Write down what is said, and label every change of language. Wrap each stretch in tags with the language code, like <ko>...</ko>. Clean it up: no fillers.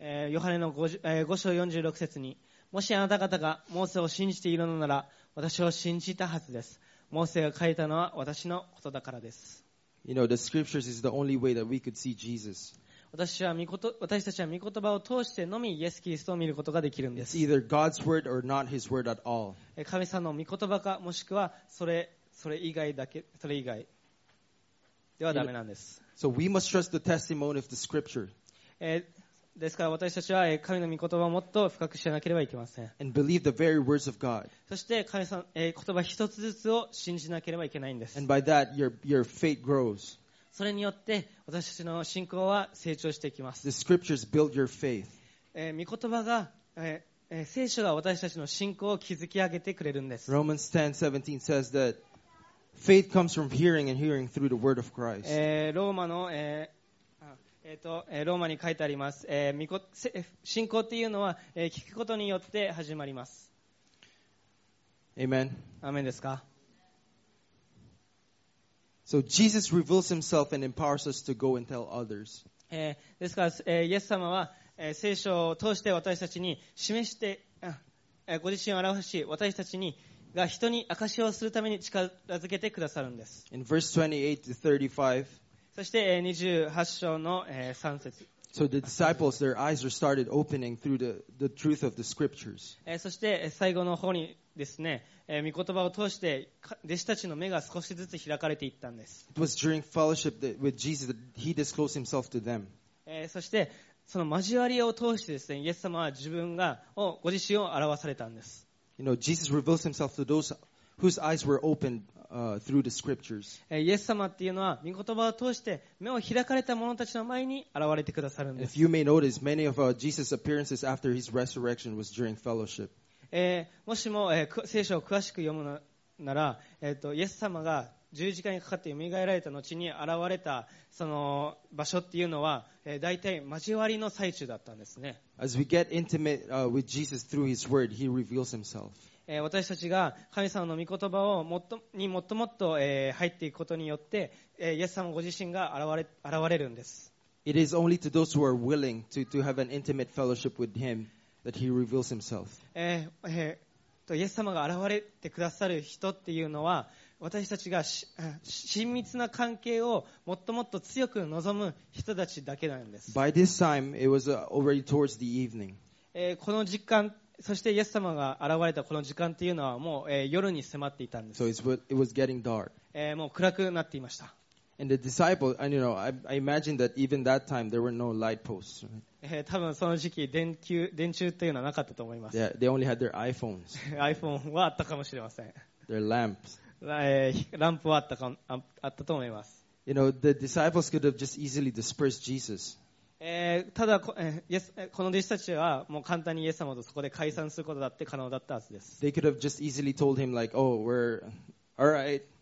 <ja>ヨハネの 5章46節に、もしあなた方がモーセを信じているのなら、私を信じたはずです。モーセが書いたのは私のことだからです。</ja> <en>You know, the scriptures is the only way that we could see Jesus.</en> <ja>私たちは御言葉を通してのみイエス・キリストを見ることができるんです。</ja> <en>It's either God's word or not His word at all.</en> <ja>神様の御言葉か、もしくはそれ以外ではダメなんです。</ja> <en>So we must trust the testimony of the scripture.</en> <ja>ですから私たちは神の御言葉をもっと深く知らなければいけません。</ja> <en>And believe the very words of God.</en> <ja>そして神様の言葉一つずつを信じなければいけないんです。</ja> <en>And by that, your faith grows.</en> <ja>それによって私たちの信仰は成長していきます。</ja> <en>The scriptures build your faith.</en> <ja>御言葉が、聖書が私たちの信仰を築き上げてくれるんです。</ja> <en>Romans 10:17 says that faith comes from hearing and hearing through the word of Christ.</en> <ja>ローマの、ローマに書いてあります。信仰というのは聞くことによって始まります。</ja> <en>Amen.</en> <ja>アーメンですか。</ja> <en>So Jesus reveals himself and empowers us to go and tell others.</en> <ja>ですから、イエス様は聖書を通して私たちに示してご自身を表し、私たちにが人に証しをするために力づけてくださるんです。</ja> <en>In verse 28-35,</en> <ja>そして28章の3節。</ja> <en>So the disciples, their eyes are started opening through the truth of the scriptures.</en> <ja>そして最後の方にですね、御言葉を通して弟子たちの目が少しずつ開かれていったんです。</ja> <en>It was during fellowship with Jesus that he disclosed himself to them.</en> <ja>そしてその交わりを通してですね、イエス様は自分がご自身を表されたんです。</ja> <en>You know, Jesus reveals himself to those whose eyes were opened. Through the scriptures.</en> <ja>イエス様っていうのは御言葉を通して目を開かれた者たちの前に現れてくださるんです。</ja> <en>If you may notice, many of Jesus' appearances after his resurrection was during fellowship.</en> <ja>もしも、聖書を詳しく読むなら、イエス様が十字架にかかって蘇られた後に現れたその場所っていうのは、大体交わりの最中だったんですね。</ja> <en>As we get intimate with Jesus through his word, he reveals himself.</en> <ja>私たちが神様の御言葉をもっともっと入っていくことによって、イエス様ご自身が現れるんです。</ja> <en>It is only to those who are willing to have an intimate fellowship with him that he reveals himself.</en> <ja>イエス様が現れてくださる人っていうのは、私たちが親密な関係をもっともっと強く望む人たちだけなんです。</ja> <en>By this time, it was already towards the evening.</en> <ja>この時間、そしてイエス様が現れたこの時間というのはもう夜に迫っていたんです。</ja> <en>So it was getting dark.</en> <ja>もう暗くなっていました。</ja> <en>And the disciples, and you know, I imagine that even that time there were no light posts.</en> <ja>多分その時期電柱というのはなかったと思います。</ja> <en>Yeah, they only had their iPhones.</en> <ja>iPhone はあったかもしれません。</ja> <en>Their lamps.</en> <ja>ランプはあったと思います。</ja> <en>You know, the disciples could have just easily dispersed Jesus.</en> <ja>ただ、この弟子たちはもう簡単にイエス様とそこで解散することだって可能だったはずです。</ja> <en>They could have just easily told him like, oh, we're all right,</en>